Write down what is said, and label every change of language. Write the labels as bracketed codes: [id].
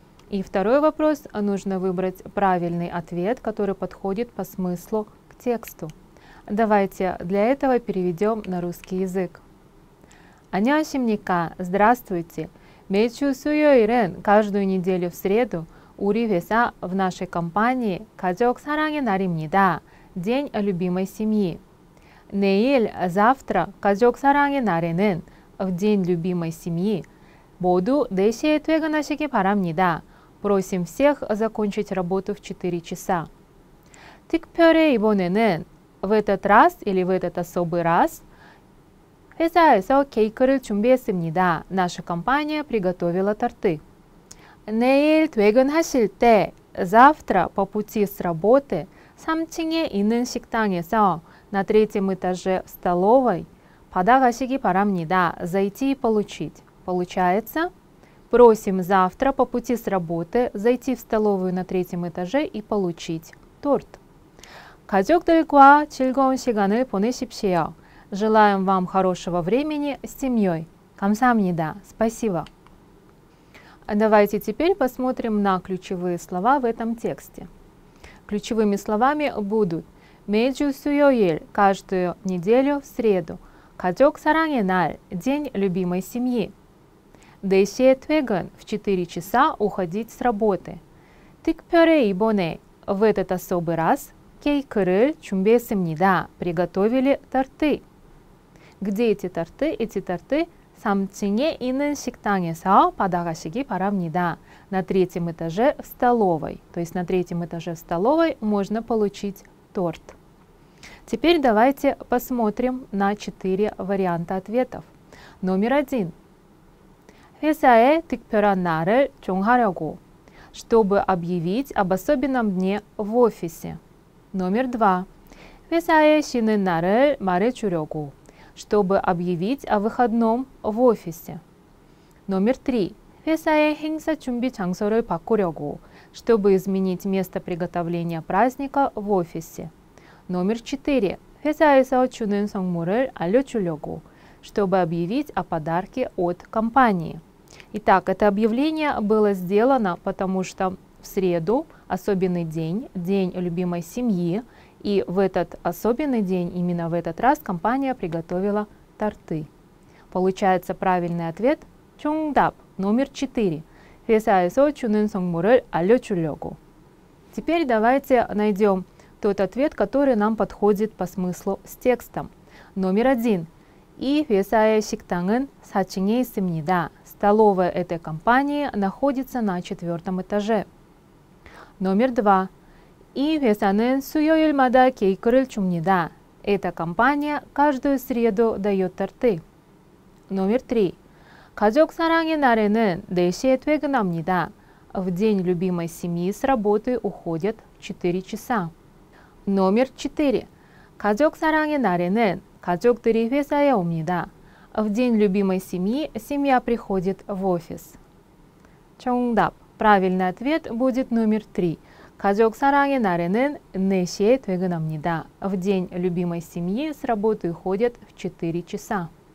[ru] И второй вопрос, нужно выбрать правильный ответ, который подходит по смыслу к тексту. Давайте для этого переведем на русский язык. [ko] 안녕하십니까? [ru] Здравствуйте! [ko] 매주 수요일은 [ru] каждую неделю в среду [ko] 우리 회사 [ru] в нашей компании [ko] 가족 사랑의 날입니다. [ru] День любимой семьи. [ko] 내일, [ru] завтра, [ko] 가족 사랑의 날에는 [ru] в день любимой семьи [ko] 모두 4시에 퇴근하시기 바랍니다. [ru] Просим всех закончить работу в 4 часа. [ko] 특별히 이번에는 [ru] в этот раз или в этот особый раз [ko] 회사에서 케이크를 준비했습니다. [ru] Наша компания приготовила торты. [ko] 내일 퇴근하실 때, [ru] завтра по пути с работы, [ko] 3층에 있는 식당에서, [ru] на третьем этаже в столовой, [ko] 받아가시기 바랍니다. [ru] Зайти и получить. Получается, просим завтра по пути с работы зайти в столовую на третьем этаже и получить торт. [ko] 가족들과 즐거운 시간을 보내십시오. [ru] Желаем вам хорошего времени с семьей. [ko] 감사합니다. [ru] Спасибо. Давайте теперь посмотрим на ключевые слова в этом тексте. Ключевыми словами будут [ko] 매주 수요일, [ru] каждую неделю в среду, [ko] 가족 사랑의 날, [ru] день любимой семьи, [ko] 4시에 퇴근, [ru] в 4 часа уходить с работы, [ko] 특별히 이번에, [ru] в этот особый раз, [ko] 케이크를 준비했습니다, [ru] приготовили торты. Где эти торты? Эти торты [ko] 3층에 있는 식당에서 받아가시기 바랍니다. [ru] На третьем этаже в столовой. То есть на третьем этаже в столовой можно получить торт. Теперь давайте посмотрим на 4 варианта ответов. Номер 1. [ko] 회사에 특별한 날을 정하려고. [ru] Чтобы объявить об особенном дне в офисе. Номер 2. [ko] 회사에 쉬는 날을 말해주려고. [ru] Чтобы объявить о выходном в офисе. Номер 3. [ko] 회사의 행사 준비 장소를 바꾸려고. [ru] Чтобы изменить место приготовления праздника в офисе. Номер 4. [ko] 회사에서 주는 선물을 알려주려고. [ru] Чтобы объявить о подарке от компании. Итак, это объявление было сделано, потому что в среду особенный день, день любимой семьи, и в этот особенный день, именно в этот раз, компания приготовила торты. Получается правильный ответ чунгдап, номер 4. [ko] 회사에서 주는 선물을 알려주려고. [ru] Теперь давайте найдем тот ответ, который нам подходит по смыслу с текстом. Номер 1. [ko] 이 회사의 식당은 4층에 있습니다. [ru] Столовая этой компании находится на 4 этаже. Номер 2. [ko] 이 회사는 수요일마다 케이크를 줍니다. [ru] Эта компания каждую среду дает торты. Номер 3. [ko] 가족 사랑의 날에는 4시에 퇴근합니다. [ru] В день любимой семьи с работы уходят 4 часа. Номер 4. [ko] 가족 사랑의 날에는 가족들이 회사에 옵니다. [ru] В день любимой семьи семья приходит в офис. [ko] 정답. [ru] Правильный ответ будет номер 3. [ko] 가족 사랑의 날에는 4시에 퇴근합니다. [ru] В день любимой семьи с работы уходят в 4 часа.